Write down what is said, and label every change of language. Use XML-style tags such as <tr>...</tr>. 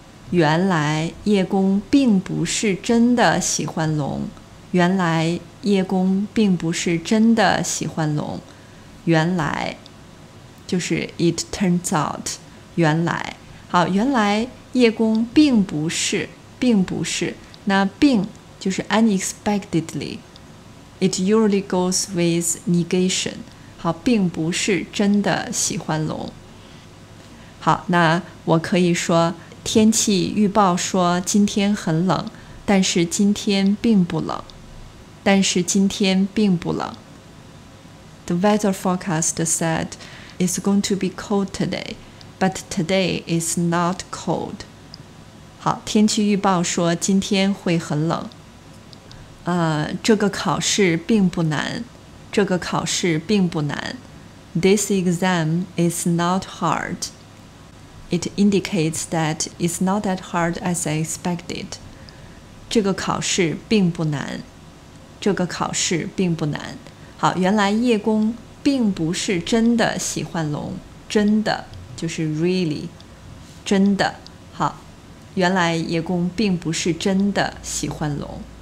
<zh>原来叶公并不是真的喜欢龙，原来叶公并不是真的喜欢龙，原来就是 it turns out，原来，好，原来叶公并不是，并不是，那并就是 unexpectedly， it usually goes with negation，好，并不是真的喜欢龙。好，那我可以说天气预报说今天很冷，但是今天并不冷，但是今天并不冷。</zh> <en>The weather forecast said it's going to be cold today, but today is not cold.</en> <zh>好，天气预报说今天会很冷。这个考试并不难，这个考试并不难。</zh> <en>This exam is not hard. It indicates that it's not that hard as I expected.</en> <zh>这个考试并不难。这个考试并不难。好，原来叶公并不是真的喜欢龙。真的就是 really， 真的。好，原来叶公并不是真的喜欢龙。</zh>